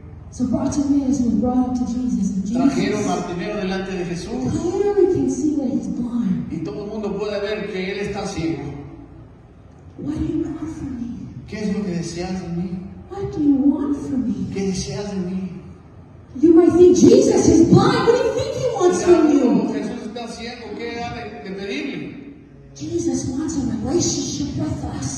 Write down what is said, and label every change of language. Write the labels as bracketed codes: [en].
[en] So Bartimaeus was brought up to Jesus, and Jesus. [es] Trajeron Bartimeo delante de Jesús. [en] Clearly can see that he's blind. [es] Y todo el mundo puede ver que él está ciego. [en] What do you want from me? [es] ¿Qué es lo que deseas de mí? [en] What do you want from me? [es] ¿Qué deseas de mí? [en] You might think Jesus is blind. What do you think he wants from you? [es] Jesús está ciego. ¿Qué ha de pedirle? [en] Jesus wants a relationship with us.